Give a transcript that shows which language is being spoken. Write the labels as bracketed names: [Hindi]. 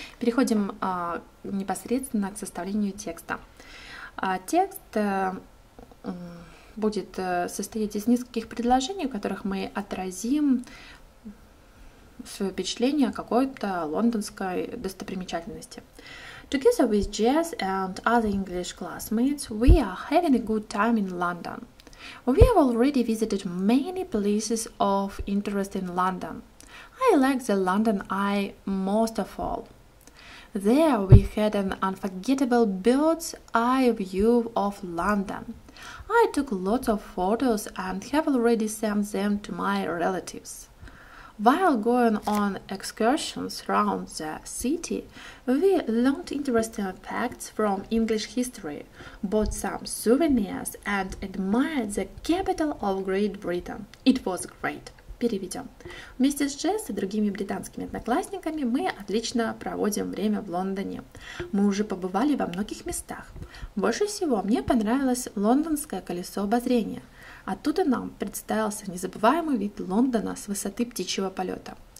[Russian] Переходим непосредственно к составлению текста. Текст будет состоять из нескольких предложений, в которых мы отразим свое впечатление о какой-то лондонской достопримечательности. [English] Together with Jess and other English classmates, we are having a good time in London. We have already visited many places of interest in London. I like the London Eye most of all. There we had an unforgettable bird's eye view of London. I took lots of photos and have already sent them to my relatives. While going on excursions around the city, we learned interesting facts from English history, bought some souvenirs and admired the capital of Great Britain. It was great. [Russian] Переведем. Вместе с Джесс и другими британскими одноклассниками мы отлично проводим время в Лондоне. Мы уже побывали во многих местах. Больше всего мне понравилось лондонское колесо обозрения. Оттуда нам представился незабываемый вид Лондона с высоты птичьего полета.